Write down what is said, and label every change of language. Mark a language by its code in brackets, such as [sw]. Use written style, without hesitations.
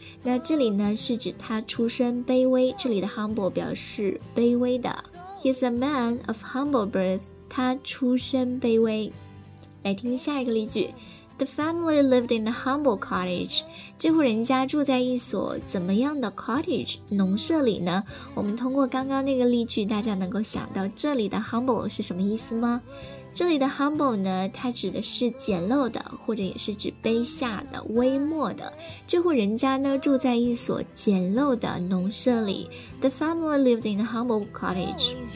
[zh] 那这里呢是指他出身卑微，这里的 humble 表示卑微的。 [en] He's a man of humble birth, [zh] 他出身卑微。来听下一个例句。 [en] The family lived in a humble cottage. [zh] 这户人家住在一所怎么样的 cottage 农舍里呢？我们通过刚刚那个例句，大家能够想到这里的 humble 是什么意思吗？这里的 humble 呢，它指的是简陋的，或者也是指卑下的、微末的。这户人家呢，住在一所简陋的农舍里。 [en] The family lived in a humble cottage.